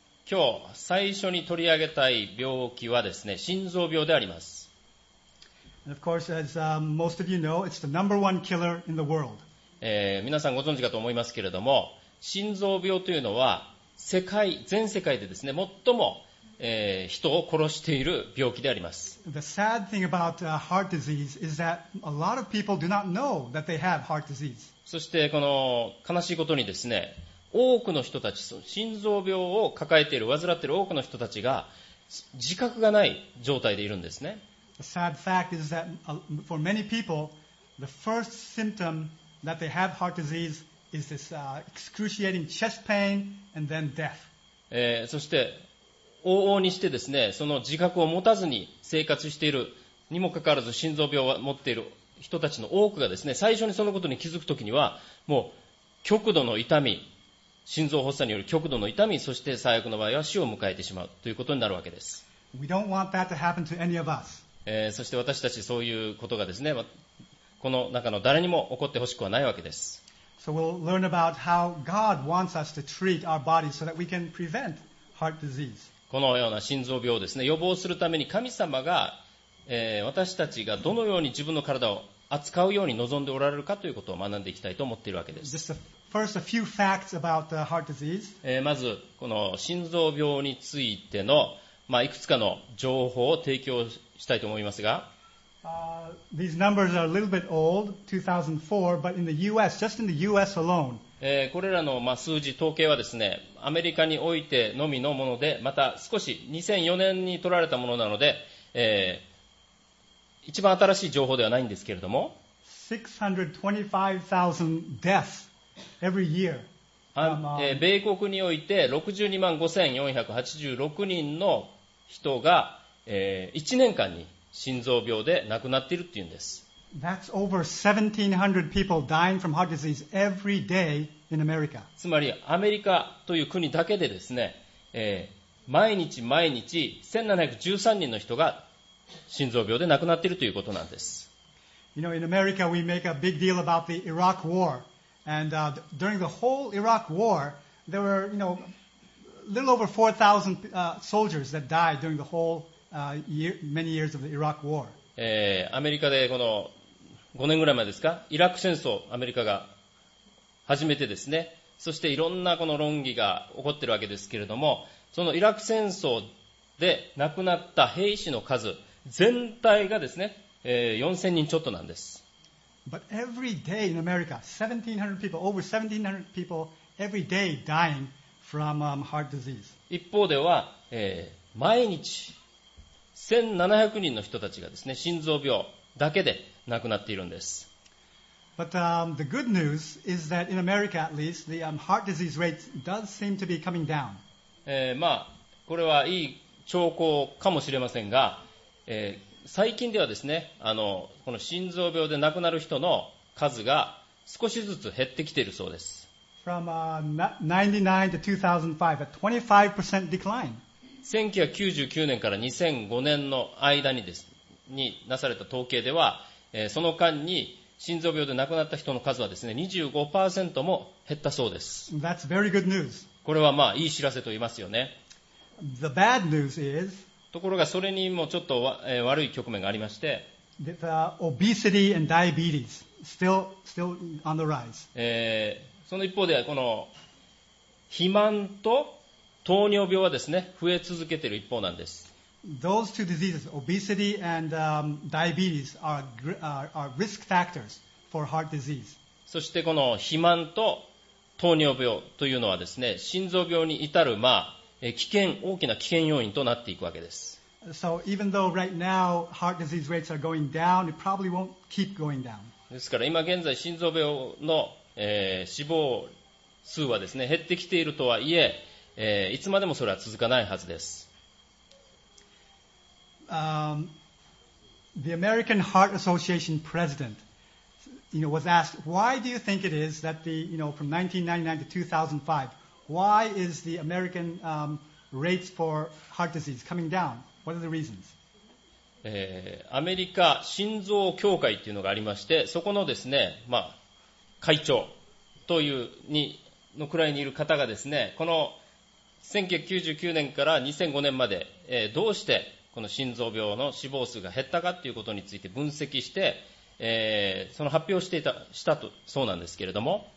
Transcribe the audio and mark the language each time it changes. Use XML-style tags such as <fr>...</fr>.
<ja>今日最初に取り上げたい病気はですね、心臓病であります。</ja> <en>And of course, as most of you know, it's the number one killer in the world.</en> <ja>皆さんご存知かと思いますけれども、心臓病というのは全世界でですね、最も、人を殺している病気であります。</ja> <en>The sad thing about heart disease is that a lot of people do not know that they have heart disease.</en> <ja>そしてこの悲しいことにですね、多くの人たち、心臓病を抱えている、患っている多くの人たちが自覚がない状態でいるんですね。</ja> <en>The sad fact is that for many people, the first symptom that they have heart disease is this excruciating chest pain and then death.</en> <ja>そして往々にしてですね、その自覚を持たずに生活しているにもかかわらず心臓病を持っている人たちの多くがですね、最初にそのことに気づくときにはもう極度の痛み、心臓発作による極度の痛み、そして最悪の場合は死を迎えてしまうということになるわけです。</ja> <en>We don't want that to happen to any of us.</en> <ja>そして私たちそういうことがですね、この中の誰にも起こってほしくはないわけです。</ja> <en>So we'll learn about how God wants us to treat our bodies so that we can prevent heart disease.</en> <ja>このような心臓病をですね、予防するために神様が、私たちがどのように自分の体を扱うように望んでおられるかということを学んでいきたいと思っているわけです。</ja> <en>Just a first, a few facts about the heart disease.</en> <ja>まずこの心臓病についての、まあ、いくつかの情報を提供したいと思いますが、</ja> <en>These numbers are a little bit old, 2004, but in the U.S., just in the U.S. alone.</en> <ja>これらの数字、統計はですね、アメリカにおいてのみのもので、また少し2004年に取られたものなので、一番新しい情報ではないんですけれども、米国において62万5486人の人が、1年間に心臓病で亡くなっているというんです。</ja> <en>That's over 1,700 people dying from heart disease every day in America.</en> <ja>つまりアメリカという国だけでですね、毎日毎日1,713人の人が心臓病で亡くなっているということなんです。</ja> <en>You know, in America, we make a big deal about the Iraq War, and during the whole Iraq War, there were, you know, little over 4,000 soldiers that died during the whole many years of the Iraq War.</en> <ja>アメリカでこの5年ぐらい前ですか、イラク戦争、アメリカが始めてですね、そしていろんなこの論議が起こっているわけですけれども、そのイラク戦争で亡くなった兵士の数全体がですね、4000人ちょっとなんです。</ja> <en>But every day in America, 1700 people, over 1700 people every day dying from heart disease.</en> <ja>一方では、毎日1700人の人たちがですね、心臓病だけで亡くなっているんです。</ja> <en>But, the good news is that in America at least, the heart disease rate does seem to be coming down.</en> <ja>まあ、これはいい兆候かもしれませんが、最近ではですね、この心臓病で亡くなる人の数が少しずつ減ってきているそうです。</ja> <en>From, 99 to 2005, a 25% decline.</en> <ja>1999年から2005年の間 になされた統計では、その間に心臓病で亡くなった人の数はですね、25% も減ったそうです。</ja> <en>That's very good news.</en> <ja>これはまあいい知らせと言いますよね。</ja> <en>The bad news is,</en> <ja>ところがそれにもちょっと、悪い局面がありまして、</ja> <en>The obesity and diabetes still on the rise.</en> <ja>その一方ではこの肥満と糖尿病はですね、増え続けている一方なんです。</ja> <en>Those two diseases, obesity and diabetes, are risk factors for heart disease.</en> <ja>そしてこの肥満と糖尿病というのはですね、心臓病に至る、まあ、大きな危険要因となっていくわけです。</ja> <en>So even though right now heart disease rates are going down, it probably won't keep going down.</en> <ja>ですから今現在心臓病の、死亡数はですね、減ってきているとはいえ、いつまでもそれは続かないはずです。</ja> <en>The American Heart Association president, you know, was asked, why do you think it is that the, you know, from 1999 to 2005, why is the American rates for heart disease coming down? What are the reasons?</en> <ja>アメリカ心臓協会っていうのがありまして、そこのですね、まあ会長というにのくらいにいる方がですね、この1999年から2005年まで、どうしてこの心臓病の死亡数が減ったかということについて分析して、その発表をしたとそうなんですけれども、</ja>